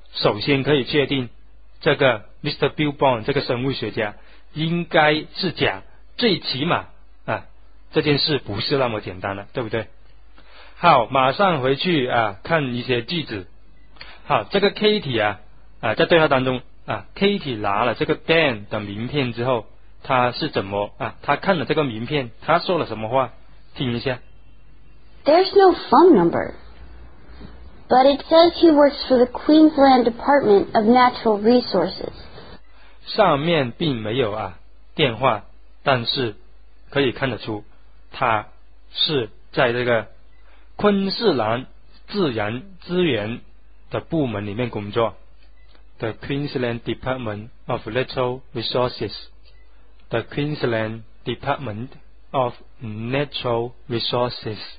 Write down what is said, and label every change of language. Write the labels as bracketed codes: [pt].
[zh] 首先可以确定，这个 Mr. Bill Bond 这个生物学家应该是假，最起码啊，这件事不是那么简单了，对不对？好，马上回去啊，看一些句子。好，这个 Katie 啊，在对话当中啊 ，Katie 拿了这个 Dan 的名片之后，他是怎么啊？他看了这个名片，他说了什么话？听一下。 [en] There's no phone number, but it says he works for the Queensland Department of Natural Resources. [zh] 上面并没有啊电话，但是可以看得出，他是在这个昆士兰自然资源的部门里面工作 ， [en] the Queensland Department of Natural Resources, [zh] the Queensland Department of Natural Resources.